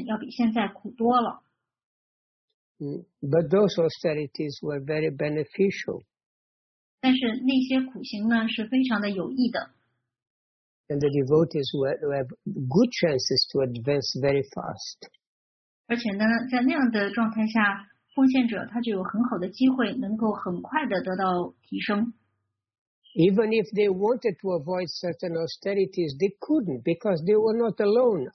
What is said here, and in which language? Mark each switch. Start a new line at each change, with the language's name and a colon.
Chinese: 但是之前呢，我们是生活在ashram，生活在庙里，那会儿的生活条件要比现在苦多了。
English: But those austerities were very beneficial.
Chinese: 但是那些苦行呢，是非常的有益的。
English: And the devotees were good chances to advance very fast.
Chinese: 而且呢，在那样的状态下，奉献者他就有很好的机会，能够很快的得到提升。
English: Even if they wanted to avoid certain austerities, they couldn't because they were not alone.